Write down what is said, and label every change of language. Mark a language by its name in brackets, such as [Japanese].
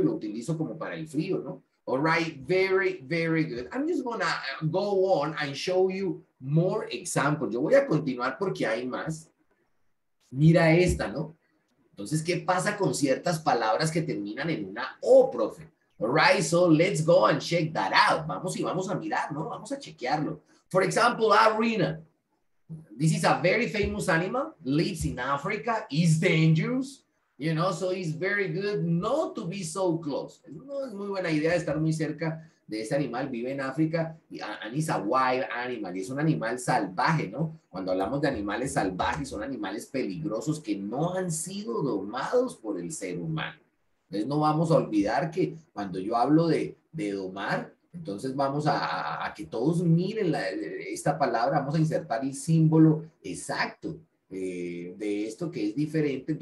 [Spanish] Y lo utilizo como para el frío, ¿no? [English] All right, very, very good. I'm just gonna go on and show you more examples. [Spanish] Yo voy a continuar porque hay más. Mira esta, ¿no? Entonces, ¿qué pasa con ciertas palabras que terminan en una O, profe? [English] All right, so let's go and check that out. [Spanish] Vamos y vamos a mirar, ¿no? Vamos a chequearlo. [English] For example, arena. This is a very famous animal. Lives in Africa. Is dangerous. You know, so it's very good not to be so close. [Spanish] No, es muy buena idea estar muy cerca de ese animal. Vive en África. [English] And it's a wild animal. [Spanish] Y es un animal salvaje, ¿no? Cuando hablamos de animales salvajes, son animales peligrosos que no han sido domados por el ser humano. Entonces, no vamos a olvidar que cuando yo hablo de domar, entonces vamos a que todos miren esta palabra, vamos a insertar el símbolo exacto de esto que es diferente.